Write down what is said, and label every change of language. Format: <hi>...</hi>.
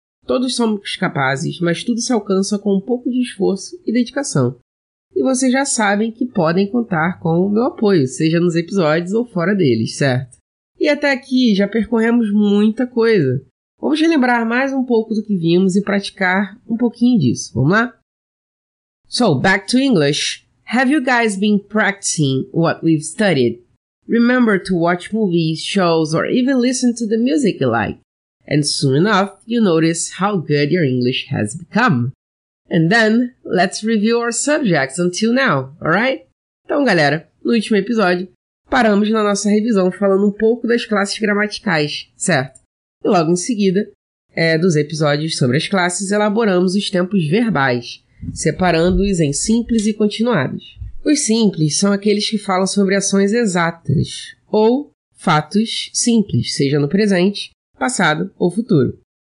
<pt>Todos somos capazes, mas tudo se alcança com um pouco de esforço e dedicação. E vocês já sabem que podem contar com o meu apoio, seja nos episódios ou fora deles, certo? E até aqui já percorremos muita coisa. Vamos relembrar mais um pouco do que vimos e praticar um pouquinho disso, vamos lá?</pt> <en>So, back to English. Have you guys been practicing what we've studied? Remember to watch movies, shows, or even listen to the music you like. And soon enough, you notice how good your English has become. And then, let's review our subjects until now, alright?</en> <pt>Então, galera, no último episódio, paramos na nossa revisão falando um pouco das classes gramaticais, certo? E logo em seguida, dos episódios sobre as classes, elaboramos os tempos verbais, separando-os em simples e continuados. Os simples são aqueles que falam sobre ações exatas ou fatos simples, seja no presente, passado ou futuro.</pt>